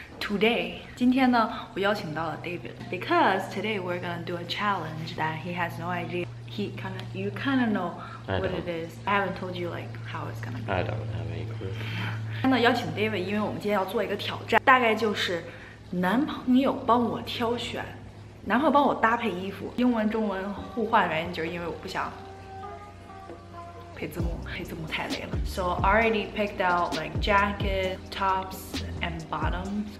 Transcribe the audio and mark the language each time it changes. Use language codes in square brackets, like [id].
[en] Today， [zh] 今天呢，我邀请到了 [en] David， because today we're gonna do a challenge that he has no idea. You kind of know what it is. I haven't told you like how it's gonna be. I don't have any clue. [zh] 那邀请 David， 因为我们今天要做一个挑战，大概就是男朋友帮我挑选，男朋友帮我搭配衣服，英文中文互换，原因就是因为我不想。黑字幕太累了。 [en] So already picked out like jacket, tops, and bottoms.